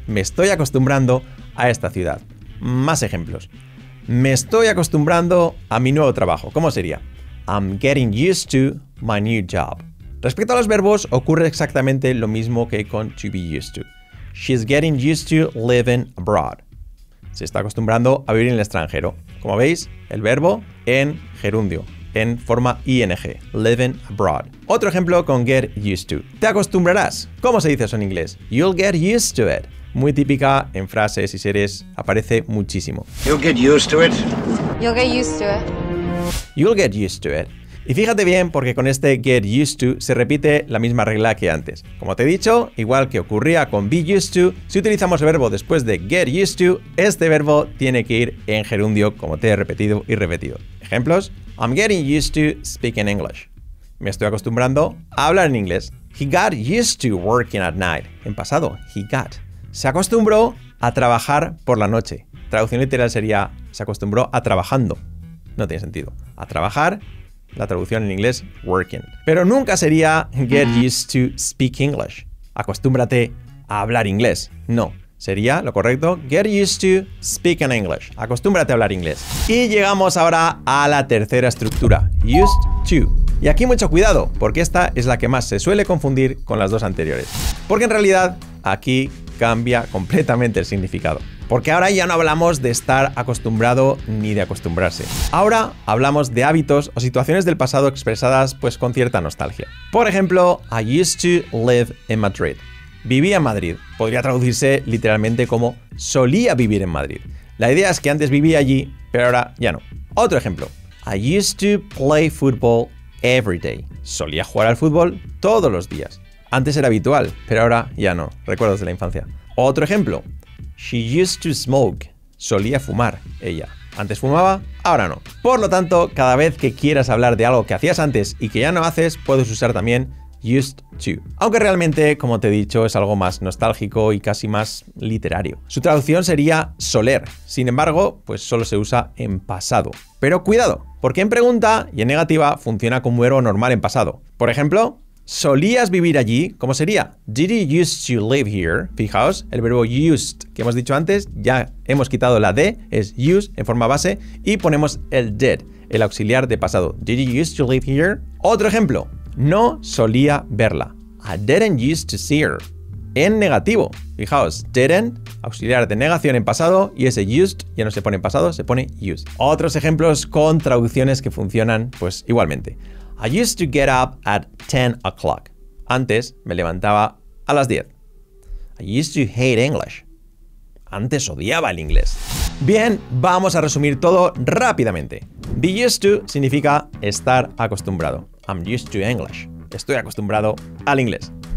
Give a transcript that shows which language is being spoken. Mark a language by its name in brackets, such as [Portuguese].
[Spanish] Me estoy acostumbrando a esta ciudad. Más ejemplos. Me estoy acostumbrando a mi nuevo trabajo. ¿Cómo sería? [English] I'm getting used to my new job. [Spanish] Respecto a los verbos, ocurre exactamente lo mismo que con to be used to. [English] She's getting used to living abroad. [Spanish] Se está acostumbrando a vivir en el extranjero. Como veis, el verbo en gerundio, en forma ing, living abroad. Otro ejemplo con get used to. Te acostumbrarás. ¿Cómo se dice eso en inglés? [English] You'll get used to it. [Spanish] Muy típica en frases y series, aparece muchísimo. [English] You'll get used to it. You'll get used to it. You'll get used to it. [Spanish] Y fíjate bien, porque con este get used to se repite la misma regla que antes. Como te he dicho, igual que ocurría con be used to, si utilizamos el verbo después de get used to, este verbo tiene que ir en gerundio, como te he repetido y repetido. Ejemplos: [English] I'm getting used to speaking English. [Spanish] Me estoy acostumbrando a hablar en inglés. [English] He got used to working at night. [Spanish] En pasado, he got. Se acostumbró a trabajar por la noche. Traducción literal sería, se acostumbró a trabajando. No tiene sentido. A trabajar, la traducción en inglés, working. Pero nunca sería [English] get used to speak English. [Spanish] Acostúmbrate a hablar inglés. No, sería lo correcto, [English] get used to speaking English. [Spanish] Acostúmbrate a hablar inglés. Y llegamos ahora a la tercera estructura, used to. Y aquí mucho cuidado, porque esta es la que más se suele confundir con las dos anteriores. Porque en realidad, aquí cambia completamente el significado. Porque ahora ya no hablamos de estar acostumbrado ni de acostumbrarse. Ahora hablamos de hábitos o situaciones del pasado expresadas pues con cierta nostalgia. Por ejemplo, [English] I used to live in Madrid. [Spanish] Vivía en Madrid. Podría traducirse literalmente como solía vivir en Madrid. La idea es que antes vivía allí, pero ahora ya no. Otro ejemplo. [English] I used to play football every day. [Spanish] Solía jugar al fútbol todos los días. Antes era habitual, pero ahora ya no. Recuerdos de la infancia. Otro ejemplo. [English] She used to smoke. [Spanish] Solía fumar, ella. Antes fumaba, ahora no. Por lo tanto, cada vez que quieras hablar de algo que hacías antes y que ya no haces, puedes usar también used to. Aunque realmente, como te he dicho, es algo más nostálgico y casi más literario. Su traducción sería soler. Sin embargo, pues solo se usa en pasado. Pero cuidado, porque en pregunta y en negativa funciona como verbo normal en pasado. Por ejemplo, ¿solías vivir allí? ¿Cómo sería? [English] Did you used to live here? [Spanish] Fijaos, el verbo used que hemos dicho antes, ya hemos quitado la D, es used en forma base, y ponemos el did, el auxiliar de pasado. [English] Did you used to live here? [Spanish] Otro ejemplo, no solía verla. [English] I didn't used to see her. [Spanish] En negativo, fijaos, didn't, auxiliar de negación en pasado, y ese used ya no se pone en pasado, se pone used. Otros ejemplos con traducciones que funcionan pues igualmente. [English] I used to get up at 10 o'clock. [Spanish] Antes me levantaba a las 10. [English] I used to hate English. [Spanish] Antes odiaba el inglés. Bien, vamos a resumir todo rápidamente. Be used to significa estar acostumbrado. [English] I'm used to English. [Spanish] Estoy acostumbrado al inglés.